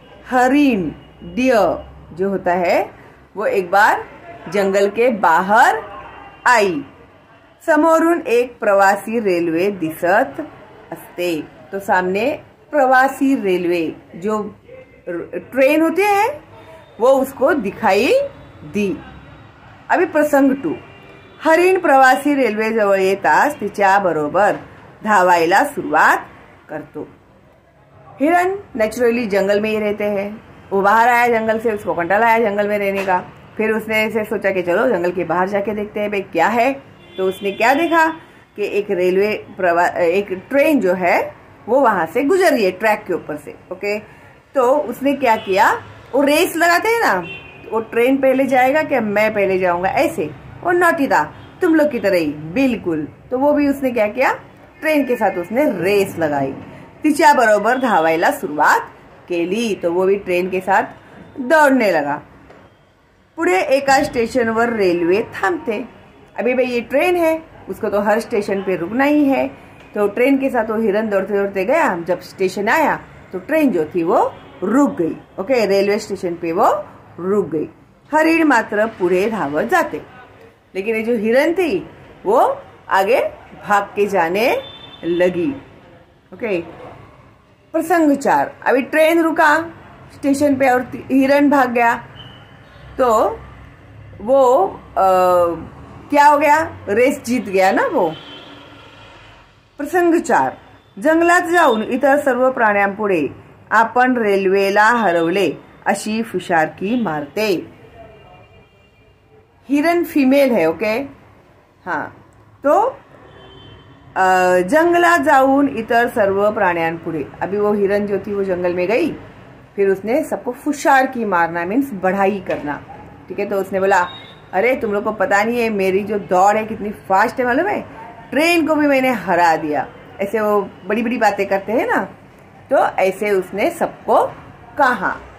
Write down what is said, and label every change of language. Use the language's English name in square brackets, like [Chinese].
[Hindi] हरिण डियर जो होता है वो एक बार जंगल के बाहर आई, [Marathi] समोरून एक प्रवासी रेलवे दिसत असते। [Hindi] तो सामने प्रवासी रेलवे जो ट्रेन होते हैं वो उसको दिखाई दी। अभी प्रसंग टू, [Marathi] हरिण प्रवासी रेलवे जवळ येतास तिच्या बरोबर धावायला सुरुवात करतो। [Hindi] हिरण नेचुरली जंगल में ही रहते हैं, वो बाहर आया जंगल से, उसको कंटाला आया जंगल में रहने का, फिर उसने ऐसे सोचा कि चलो जंगल के बाहर जाके देखते हैं भाई क्या है। तो उसने क्या देखा कि एक रेलवे एक ट्रेन जो है वो वहां से गुजर रही है ट्रैक के ऊपर से, ओके। तो उसने क्या किया, वो रेस लगाते हैं ना, वो ट्रेन पहले जाएगा कि मैं पहले जाऊंगा, ऐसे वो नौटी था तुम लोग की तरह ही बिल्कुल। तो वो भी उसने क्या किया, ट्रेन के साथ उसने रेस लगाई, [Marathi] तिच्या बरोबर धावायला सुरुवात केली, [Hindi] तो वो भी ट्रेन के साथ दौड़ने लगा। [Marathi] पुढे एका स्टेशन वर रेलवे थांबते। [Hindi] अभी भाई ये ट्रेन है, उसको तो हर स्टेशन पे रुकना ही है, तो ट्रेन के साथ वो हिरन दौड़ते दौड़ते गया, जब स्टेशन आया तो ट्रेन जो थी वो रुक गई, ओके, रेलवे स्टेशन पे वो रुक गई। [Marathi] हरिण मात्र पूरे धावत जाते, [Hindi] लेकिन ये जो हिरन थी वो आगे भाग के जाने लगी, ओके। प्रसंग चार, अभी ट्रेन रुका स्टेशन पे और हिरन भाग गया, तो वो क्या हो गया, रेस जीत गया ना वो। [Marathi] प्रसंग चार, जंगलात जाऊन इतर सर्व प्राण्यांपुढे आपण रेल्वेला हरवले अशी फुशारकी मारते। [Hindi] हिरन फीमेल है, ओके, हाँ। [Marathi] तो जंगलात जाऊन इतर सर्व प्राण्यांपुढे, [Hindi] अभी वो हिरन जो थी वो जंगल में गई, फिर उसने सबको फुशारकी मारना, मीन्स बढ़ाई करना, ठीक है। तो उसने बोला अरे तुम लोग को पता नहीं है मेरी जो दौड़ है कितनी फास्ट है मालूम है, ट्रेन को भी मैंने हरा दिया, ऐसे वो बड़ी बड़ी बातें करते हैं ना, तो ऐसे उसने सबको कहा।